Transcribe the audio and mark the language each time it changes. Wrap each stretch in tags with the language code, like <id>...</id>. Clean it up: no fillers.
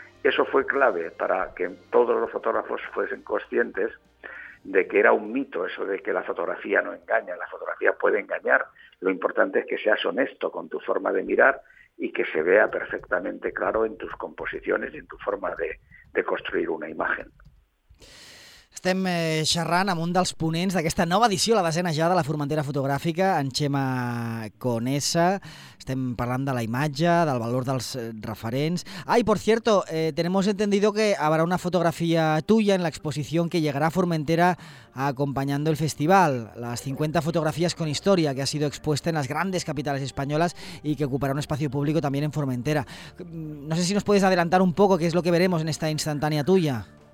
<es>Eso fue clave para que todos los fotógrafos fuesen conscientes de que era un mito eso de que la fotografía no engaña, la fotografía puede engañar. Lo importante es que seas honesto con tu forma de mirar y que se vea perfectamente claro en tus composiciones y en tu forma de construir una imagen.</es> <ca>Estem xerrant amb un dels ponents d'aquesta nova edició, la desena ja, de la Formentera Fotogràfica, en Xema Conesa. Estem parlant de la imatge, del valor dels referents.</ca> <es>Ah, y por cierto, tenemos entendido que habrá una fotografía tuya en la exposición que llegará a Formentera acompañando el festival, las 50 fotografías con historia que ha sido expuesta en las grandes capitales españolas y que ocupará un espacio público también en Formentera. No sé si nos puedes adelantar un poco qué es lo que veremos en esta instantánea tuya.</es>